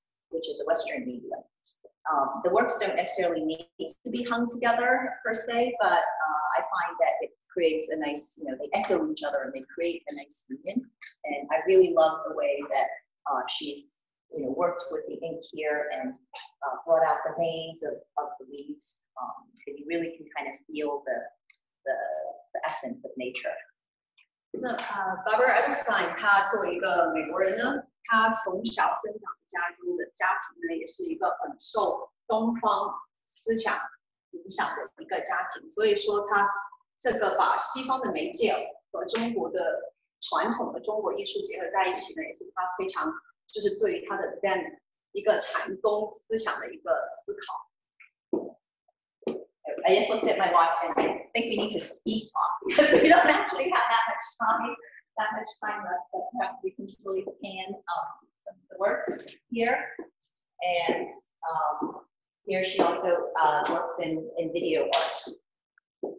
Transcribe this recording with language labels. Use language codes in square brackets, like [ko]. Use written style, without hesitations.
[en] Which is a Western medium. The works don't necessarily need to be hung together per se, but I find that it creates a nice, you know, they echo each other and they create a nice union. And I really love the way that she's, you know, worked with the ink here and brought out the veins of the leaves. And you really can kind of feel the essence of nature. [zh] Barbara Epstein, 她作为一个美国人呢，她从小生长家中的家庭呢，也是一个很受东方思想影响的一个家庭，所以说她这个把西方的媒介和中国的传统的中国艺术结合在一起呢，也是她非常就是对于她的 Zen 一个禅宗思想的一个思考。 [en] I just looked at my watch and I think we need to speed talk because we don't actually have that much time left, but perhaps we can slowly pan some of the works here. And here she also works in video art.